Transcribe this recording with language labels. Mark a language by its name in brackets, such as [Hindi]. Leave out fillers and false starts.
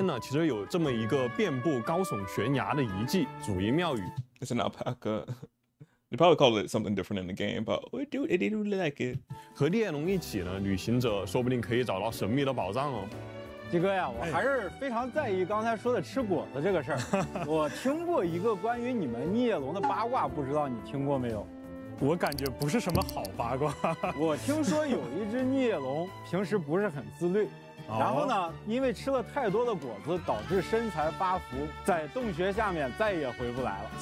[Chinese] 那其实有这么一个遍布高耸悬崖的遗迹，祖茵庙宇。 [English] It's an alpaca. They probably call it something different in the game, but we do it. I do like it. [Chinese] 和聂龙一起呢，旅行者说不定可以找到神秘的宝藏哦。鸡哥呀，我还是非常在意刚才说的吃果子这个事儿。我听过一个关于你们聂龙的八卦，不知道你听过没有？我感觉不是什么好八卦。我听说有一只聂龙平时不是很自律，然后呢，因为吃了太多的果子，导致身材发福，在洞穴下面再也回不来了。